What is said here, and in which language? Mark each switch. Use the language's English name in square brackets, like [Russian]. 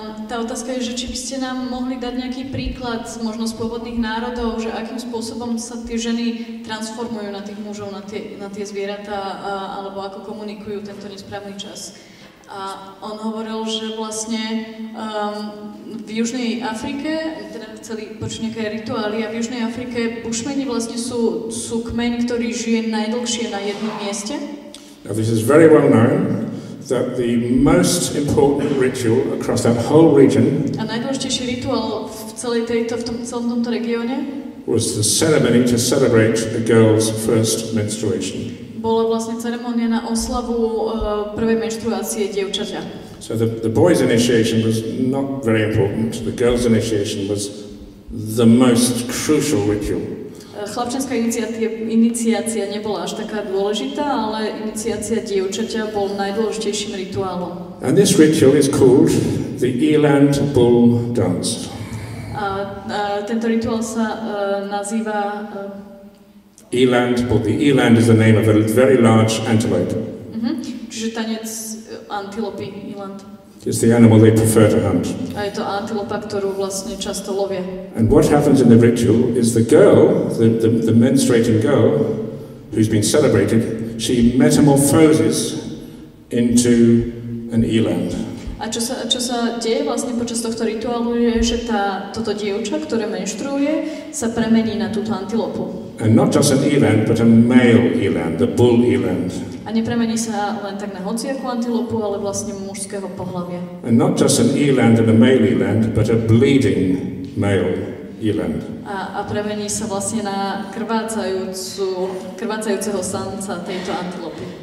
[Slovak] Tá otázka je, že či by ste nám mohli dať nejaký príklad možno z pôvodných národov, že akým spôsobom sa tie ženy transformujú na tých mužov, na tie zvieratá, alebo ako komunikujú tento nesprávny čas. A on hovoril, že vlastne v Južnej Afrike, teda chceli počuť nejaké rituály, a v Južnej Afrike bušmeni vlastne sú kmeň, ktorý žije najdlhšie na jednom mieste. [English] Now this is very well known that the most important ritual across that whole region [Slovak] a najdôležitejší rituál v celej tejto, v tom celom tomto regióne [English] was the ceremony to celebrate the girl's first menstruation. [Slovak] Bola vlastne ceremonia na oslavu prvej menštruácie dievčaťa. [English] So the boy's initiation was not very important, the girl's initiation was the most crucial ritual. [Slovak] Chlapčenská iniciácia nebola až taká dôležitá, ale iniciácia dievčaťa bol najdôležitejším rituálom. [English] And this ritual is called the Eland Bull Dance. [Slovak] A tento rituál sa nazýva [English] Eland, but the Eland is the name of a very large antelope. [Slovak] Čiže tanec antilopy, Eland. [English] It's the animal they prefer to hunt. [Slovak] A je to antilopa, ktorú vlastne často lovia. [English] And what happens in the ritual is the girl, the menstruating girl, who's been celebrated, she metamorphoses into an Eland. [Slovak] A čo sa deje vlastne počas tohto rituálu je, že toto dievča, ktoré menštruuje, sa premení na túto antilopu. [English] And not just an Eland, but a male Eland, the bull Eland. [Slovak] A nepremení sa len tak na hociakú antilopu, ale vlastne mužského pohlavia. [English] And not just an Eland and a male Eland, but a bleeding male Eland. [Slovak] A premení sa vlastne na krvácajúceho samca tejto antilopy.